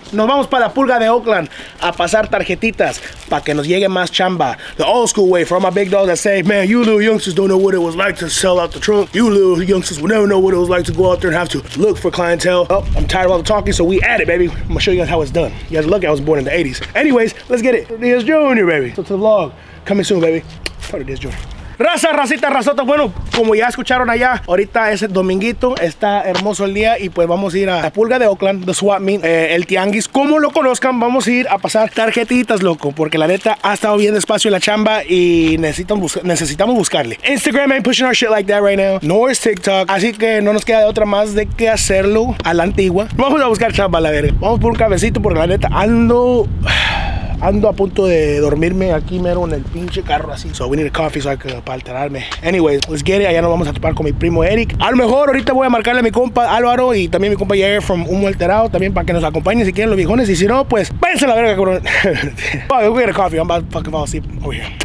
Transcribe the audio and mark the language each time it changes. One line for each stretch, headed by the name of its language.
Spanish: Nos vamos para la pulga de Oakland a pasar tarjetitas para que nos llegue más chamba.
English: The old school way, for all my big dogs that say, man, you little youngsters don't know what it was like to sell out the trunk. You little youngsters will never know what it was like to go out there and have to look for clientele. Oh, I'm tired of all the talking, so we at it, baby. I'm gonna show you guys how it's done. You guys are lucky I was born in the 80s. Anyways, let's get it. Urias Junior, baby. So to the vlog, coming soon, baby. Part of this, Junior.
Spanish: Raza, racita, razota. Bueno, como ya escucharon allá, ahorita es dominguito, está hermoso el día y pues vamos a ir a la pulga de Oakland,
English: the swap meet,
Spanish: el tianguis, como lo conozcan. Vamos a ir a pasar tarjetitas, loco, porque la neta ha estado bien despacio la chamba y necesitamos buscarle.
English: Instagram ain't pushing our shit like that right now, nor is TikTok,
Spanish: así que no nos queda de otra más de que hacerlo a la antigua. Vamos a buscar chamba, la verga. Vamos por un cabecito porque la neta ando a punto de dormirme aquí mero en el pinche carro así.
English: So we need a coffee so I could,
Spanish: para alterarme.
English: Anyways, let's get it.
Spanish: Allá nos vamos a topar con mi primo Eric. A lo mejor ahorita voy a marcarle a mi compa Álvaro y también mi compa Jair from Humo Alterado también para que nos acompañen si quieren los viejones. Y si no, pues váyanse a la verga, cabrón.
English: Fuck, we'll get a coffee. I'm about to fucking fall asleep over here.